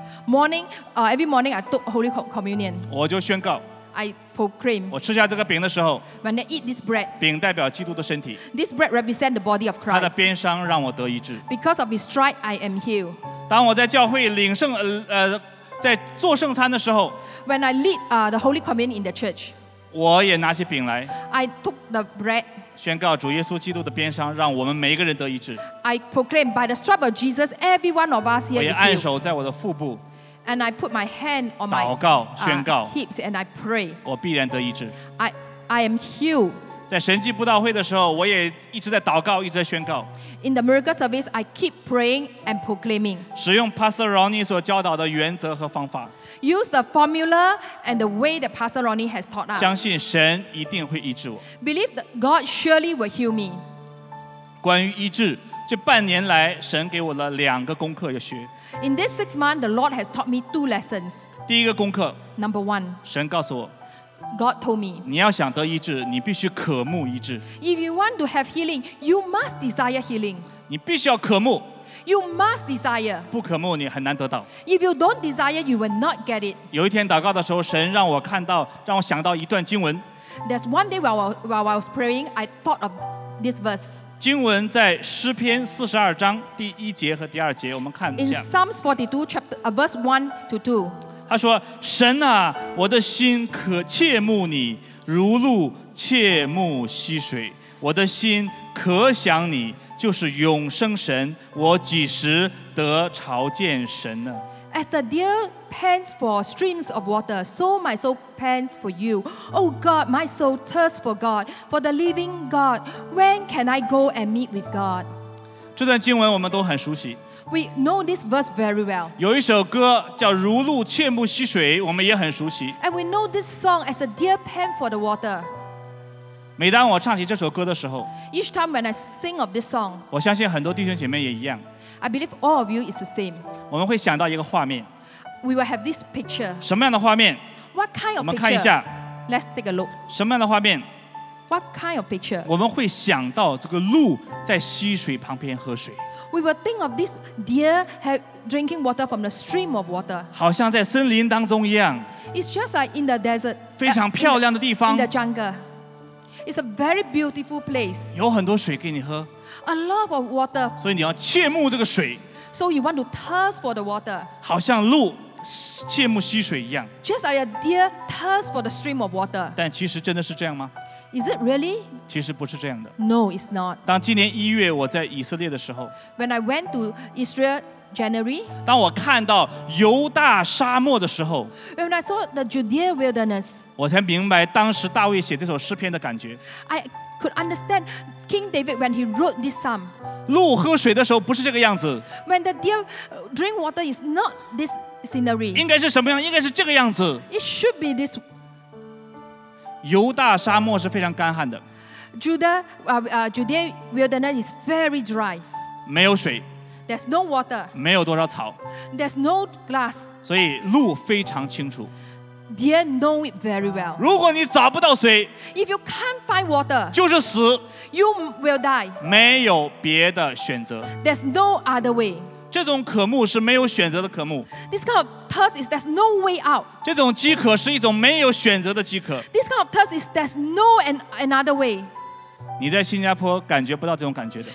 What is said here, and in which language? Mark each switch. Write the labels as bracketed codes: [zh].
[en] Morning, every morning I took Holy Communion. [zh] 我就宣告 [en] I proclaim. [zh] 我吃下这个饼的时候 [en] When I eat this bread, [zh] 饼代表基督的身体 [en] This bread represents the body of Christ. [zh] 他的鞭伤让我得医治 [en] Because of his stripes, I am healed. [zh] 当我在教会领圣在做圣餐的时候 [en] When I lead the Holy Communion in the church, [zh] 我也拿起饼来 [en] I took the bread. [zh] 宣告主耶稣基督的鞭伤让我们每一个人得医治 [en] I proclaim by the stripes of Jesus, every one of us here is healed. [zh] 我也按手在我的腹部 [en] And I put my hand on my [zh] 祷告宣告 [en] hips and I pray. [zh] 我必然得医治 [en] I am healed. [zh] 在神迹布道会的时候，我也一直在祷告，一直在宣告。 [en] In the miracle service, I keep praying and proclaiming. [zh] 使用 Pastor Ronnie 所教导的原则和方法。 [en] Use the formula and the way that Pastor Ronnie has taught us. [zh] 相信神一定会医治我。 [en] Believe that God surely will heal me. [zh] 关于医治，这半年来神给我了两个功课要学。 [en] In this 6 months, the Lord has taught me 2 lessons. [zh] 第一个功课 [en] Number one. [zh] 神告诉我 [en] God told me. [zh] 你要想得医治，你必须渴慕医治。 [en] If you want to have healing, you must desire healing. [zh] 你必须要渴慕。 [en] You must desire. [zh] 不渴慕，你很难得到。 [en] If you don't desire, you will not get it. [zh] 有一天祷告的时候，神让我看到，让我想到一段经文。 [en] There's one day while I was praying, I thought of this verse. [zh] 经文在诗篇42:1-2，我们看一下。 [en] In Psalms 42, chapter, verse 1-2. [zh] 他说：“神啊，我的心可切慕你，如鹿切慕溪水。我的心可想你，就是永生神。我几时得朝见神呢？” [en] As the deer pants for streams of water, so my soul pants for you. Oh God, my soul thirsts for God, for the living God. When can I go and meet with God? [zh] 这段经文我们都很熟悉。 [en] We know this verse very well. [zh] 有一首歌叫《如鹿切慕溪水》，我们也很熟悉。 [en] And we know this song as a deer pant for the water. [zh] 每当我唱起这首歌的时候 [en] ，Each time when I sing of this song, [zh] 我相信很多弟兄姐妹也一样。 [en] I believe all of you is the same. [zh] 我们会想到一个画面。 [en] We will have this picture. [zh] 什么样的画面 [en] ？What kind of picture？ [zh] 我们看一下。 [en] Let's take a look. [zh] 什么样的画面 [en] What kind of picture? [zh] 我们会想到这个鹿在溪水旁边喝水。 [en] We will think of this deer have drinking water from the stream of water. [zh] 好像在森林当中一样。 [en] It's just like in the desert. [zh] 非常漂亮的地方。 [en] In the jungle. It's a very beautiful place. [zh] 有很多水给你喝。 [en] A lot of water. [zh] 所以你要切慕这个水。 [en] So you want to thirst for the water. [zh] 好像鹿切慕溪水一样。 [en] Just like a deer thirst for the stream of water. [zh] 但其实真的是这样吗？ [en] Is it really? [zh] 其实不是这样的。 [en] No, it's not. [zh] 当今年一月我在以色列的时候 [en] ，When I went to Israel January， [zh] 当我看到犹大沙漠的时候 [en] ，When I saw the Judea wilderness， [zh] 我才明白当时大卫写这首诗篇的感觉。 [en] I could understand King David when he wrote this psalm。 [zh] 鹿喝水的时候不是这个样子。 [en] When the deer drink water is not this scenery。 [zh] 应该是什么样？应该是这个样子。 [en] It should be this。 [zh] 犹大沙漠是非常干旱的。 [en] Judea wilderness is very dry. [zh] 没有水。 [en] There's no water. [zh] 没有多少草。 [en] There's no grass. [zh] 所以鹿非常清楚。 [en] Deer know it very well. [zh] 如果你找不到水， [en] If you can't find water, [zh] 就是死。 [en] You will die. [zh] 没有别的选择。 [en] There's no other way. [zh] 这种渴慕是没有选择的渴慕。 [en] This kind of thirst is there's no way out. [zh] 这种饥渴是一种没有选择的饥渴。 [en] This kind of thirst is there's no another way. [zh] 你在新加坡感觉不到这种感觉的。